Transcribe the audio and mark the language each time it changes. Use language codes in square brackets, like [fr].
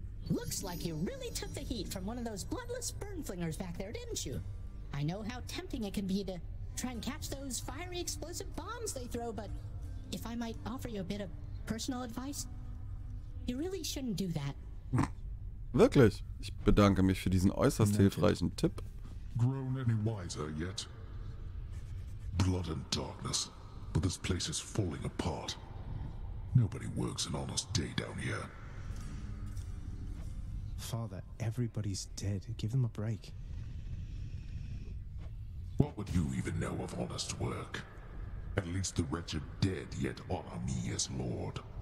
[en] Looks like you really took the heat from one of those bloodless burn flingers back there, didn't you? I know how tempting it can be to try and catch those fiery explosive bombs they throw, but if I might offer you a bit of personal advice, you really shouldn't do that. [de] Wirklich? Ich bedanke mich für diesen äußerst hilfreichen Tipp. [en] Grown any wiser yet? Blood and darkness, but this place is falling apart. Nobody works an honest day down here. Father, everybody's dead. Give them a break. What would you even know of honest work? At least the wretched dead yet honor me as Lord.